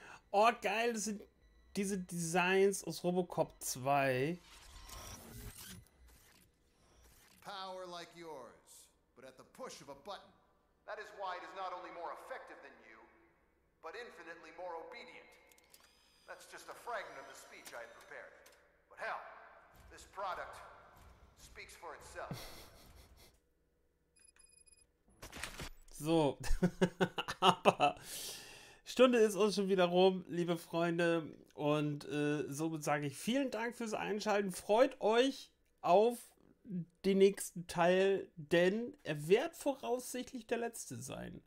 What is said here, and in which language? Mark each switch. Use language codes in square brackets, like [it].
[de] Oh, geil, das sind diese Designs aus RoboCop 2. [en] Power like yours, but at the push of a button. That is why it is not only more effective than you, but infinitely more obedient. That's just a fragment of the speech I had prepared. But hell, this product speaks for itself. [de] So, aber Stunde ist uns schon wieder rum, liebe Freunde. Und somit sage ich vielen Dank fürs Einschalten. Freut euch auf den nächsten Teil, denn er wird voraussichtlich der letzte sein.